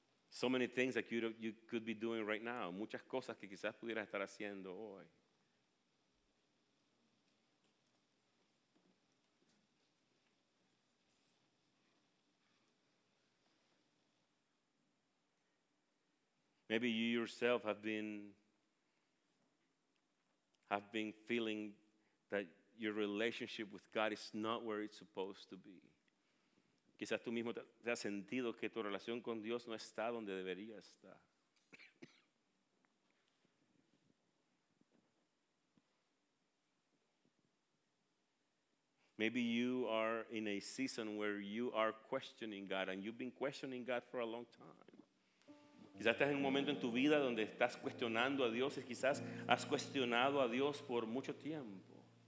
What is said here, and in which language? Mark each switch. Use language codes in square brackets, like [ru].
[en] So many things that you could be doing right now. [es] Muchas cosas que quizás pudieras estar haciendo hoy. [en] Maybe you yourself have been feeling that your relationship with God is not where it's supposed to be. [es] Quizás tú mismo te has sentido que tu relación con Dios no está donde debería estar. [en] Maybe you are in a season where you are questioning God, and you've been questioning God for a long time. [es] Quizás estás en un momento en tu vida donde estás cuestionando a Dios y quizás has cuestionado a Dios por mucho tiempo.